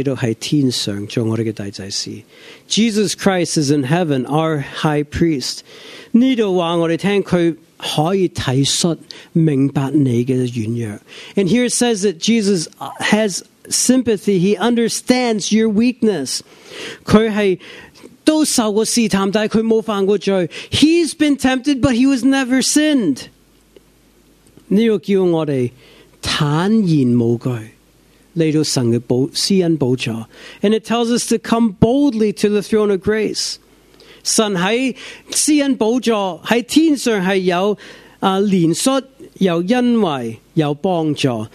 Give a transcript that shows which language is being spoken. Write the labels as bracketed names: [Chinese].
[Chinese] 弟兄姊妹,我们的耶稣基督在天上做我们的大祭司。 [English] Jesus Christ is in heaven, our high priest. [Chinese] 这里说我们听他可以体恤明白你的软弱。 [English] And here it says that Jesus has sympathy, he understands your weakness. [Chinese] 他都受过试探,但他没犯过罪。 [English] He's been tempted, but he was never sinned. [Chinese] 这叫我们坦然无惧。 [English] And it tells us to come boldly to the throne of grace. [Chinese] 神在施恩宝座,在天上是有怜恤,有恩惠,有帮助。